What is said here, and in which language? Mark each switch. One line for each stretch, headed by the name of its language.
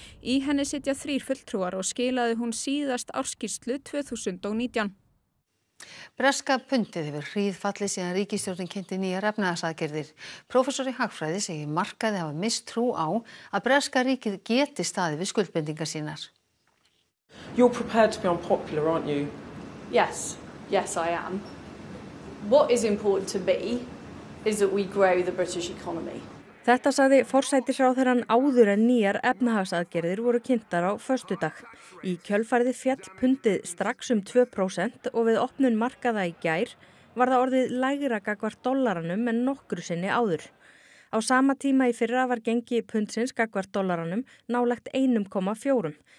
Icelandic: Í henni sitja þrír fulltrúar og skilaði hún síðast ársskýrslu 2019. Breska pundið hefur hríðfallið síðan ríkisstjórnin kynnti nýjar efnahagsaðgerðir. Prófessor í hagfræði segir markaði hafa misst trú á að breska ríkið geti staðið við skuldbindingar sínar.
English: You're prepared to be unpopular, aren't you? Yes. Yes, I am. What is important to me is that we grow the British economy.
Icelandic: Þetta sagði forsætisráðherrann áður en nýjar efnahagsaðgerðir voru kynntar á föstudag. Í kjölfarði féll pundið strax 2% og við opnun markaða í gær var það orðið lægra gagnvart dollaranum en nokkru sinni áður. Á sama tíma í fyrra var gengi pundsins gagnvart dollaranum nálægt 1,4.